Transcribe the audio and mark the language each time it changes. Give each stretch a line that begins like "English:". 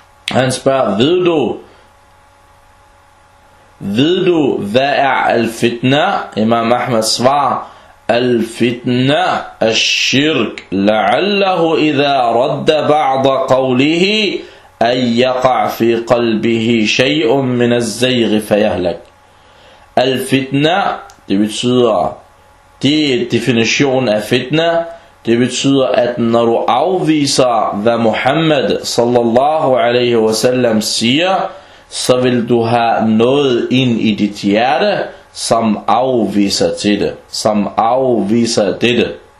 Danish: Han spørger, ved du, hvad er al-fitna? Imam Ahmad svarer,
Arabic: الفتنة الشرك لعله إذا رد بعض قوله أن يقع في قلبه شيء من الزيغ فيهلك.
Danish: الفتنة det betyder, at når du afviser, hvad Muhammad sallallahu alaihi wasallam siger, så vil du have noget ind i dit hjerte, som afviser dette.